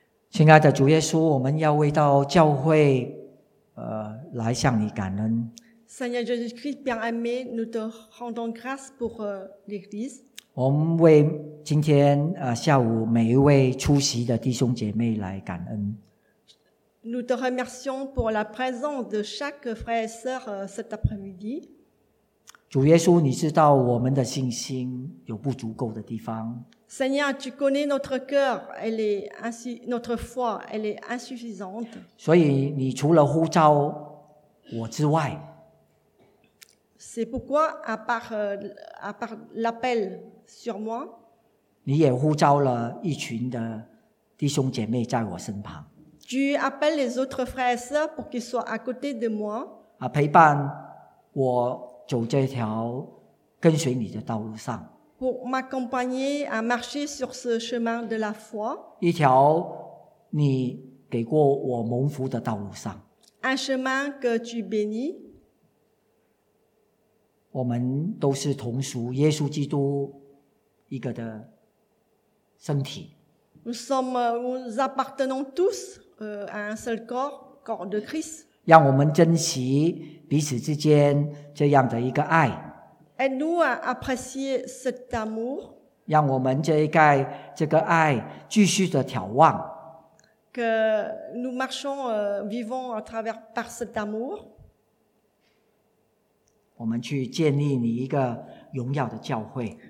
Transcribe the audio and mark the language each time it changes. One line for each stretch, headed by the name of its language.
Chinese: 亲爱的主耶稣，我们要为到教会来向你感恩。
French: Seigneur Jésus-Christ, bien-aimé, nous te rendons grâce pour l'Église.
Chinese: 我们为今天下午每一位出席的弟兄姐妹来感恩。
French: Nous te remercions pour la présence de chaque frère et sœur cet après-midi.
Chinese: 主耶稣，你知道我们的信心有不足够的地方。
French: Seigneur, tu connais notre cœur, notre foi, elle est insuffisante.
Chinese: 所以你除了呼召我之外，
French: c'est pourquoi à part l'appel sur moi,
Chinese: 你也呼召了一群的弟兄姐妹在我身旁。
French: Tu appelles les autres frères et sœurs pour qu'ils soient à côté de moi,
Chinese: 陪伴我走这条跟随你的道路上。
French: Pour m'accompagner à marcher sur ce chemin de la foi.
Chinese: 一条你给过我蒙福的道路上。
French: Un chemin que tu bénis.
Chinese: 我们都是同属耶稣基督一个的身体。
French: Nous appartenons tous à un seul corps, corps de Christ.
Chinese: 让我们珍惜彼此之间这样的一个爱。
French: Aide-nous à apprécier cet amour.
Chinese: 让我们这个爱继续的眺望。
French: Que nous marchons, vivons à travers par cet amour.
Chinese: 我们去建立你一个荣耀的教会。